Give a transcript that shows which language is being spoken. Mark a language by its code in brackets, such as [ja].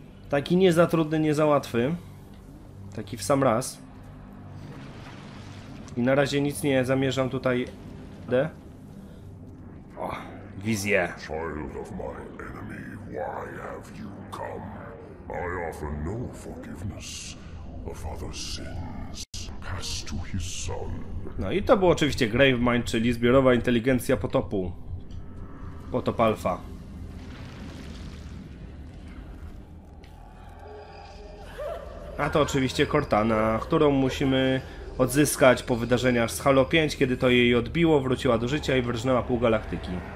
[pl] Taki nie za trudny, nie za łatwy. Taki w sam raz. I na razie nic nie zamierzam tutaj... Wizję. [en] Child of my enemy, why have you come? I offer no forgiveness. A father's sins pass to his son. [pl] No i to był oczywiście Gravemind, czyli zbiorowa inteligencja potopu. Potop Alfa. A to oczywiście Cortana, którą musimy odzyskać po wydarzeniach z Halo 5, kiedy to jej odbiło, wróciła do życia i wyrżnęła pół galaktyki.